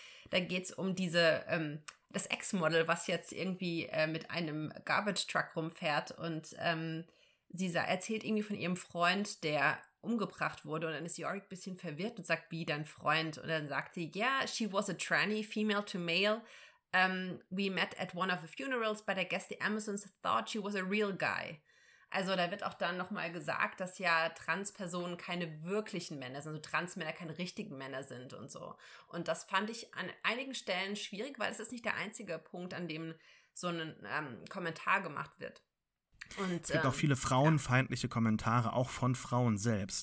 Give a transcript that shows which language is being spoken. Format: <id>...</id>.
<de>da geht es um das Ex-Model, was jetzt irgendwie mit einem Garbage-Truck rumfährt und sie erzählt irgendwie von ihrem Freund, der umgebracht wurde. Und dann ist Yorick ein bisschen verwirrt und sagt, wie, dein Freund? Und dann sagt sie,</de> <en>yeah, she was a tranny, female to male. We met at one of the funerals, but I guess the Amazons thought she was a real guy.</en> <de>Also da wird auch dann nochmal gesagt, dass ja Transpersonen keine wirklichen Männer sind, also Transmänner keine richtigen Männer sind und so. Und das fand ich an einigen Stellen schwierig, weil es ist nicht der einzige Punkt, an dem so ein Kommentar gemacht wird. Und, es gibt auch viele frauenfeindliche Kommentare, auch von Frauen selbst.</de>